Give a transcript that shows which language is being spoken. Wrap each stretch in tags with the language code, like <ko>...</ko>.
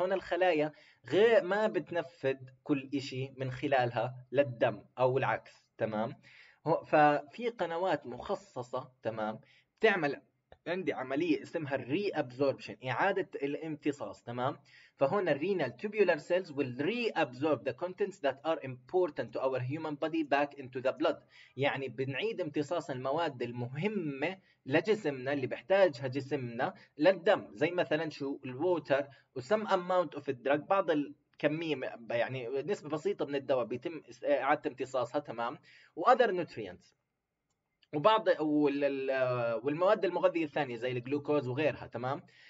<ar>هون الخلايا غير ما بتنفذ كل إشي من خلالها للدم أو العكس تمام. ففي قنوات مخصصة تمام بتعمل عندي عملية اسمها reabsorption إعادة الامتصاص تمام. فهون</ar> <en>renal tubular cells will reabsorb the contents that are important to our human body back into the blood.</en> <ar>يعني بنعيد امتصاص المواد المهمة لجسمنا اللي بحتاجها جسمنا للدم زي مثلا شو الووتر و</ar> <en>some amount of drug</en> <ar>بعض الكمية يعني نسبة بسيطة من الدواء بيتم إعادة امتصاصها تمام و</ar> <en>other nutrients</en> <ar>وبعض والمواد المغذية الثانية زي الجلوكوز وغيرها تمام.</ar>